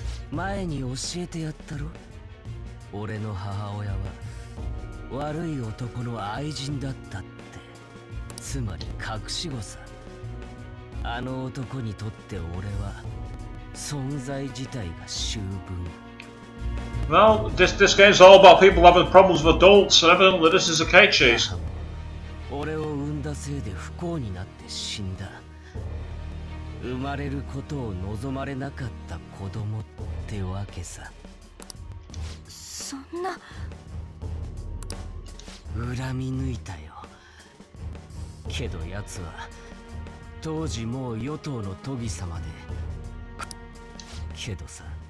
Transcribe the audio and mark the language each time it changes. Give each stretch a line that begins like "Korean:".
Japanese: 前に教えてやったろ。俺の母親は悪い男の愛人だったって、つまり隠し子さ。あの男にとって俺は存在自体が醜聞。
English: Well, this game's all about people having problems with adults, and evidently this is a cake cheese.
Japanese: 俺を産んだせいで不幸になって死んだ。生まれることを望まれなかった子供ってわけさ。そんな。恨み抜いたよ。けど奴は当時もう与党の都議様で。けどさ。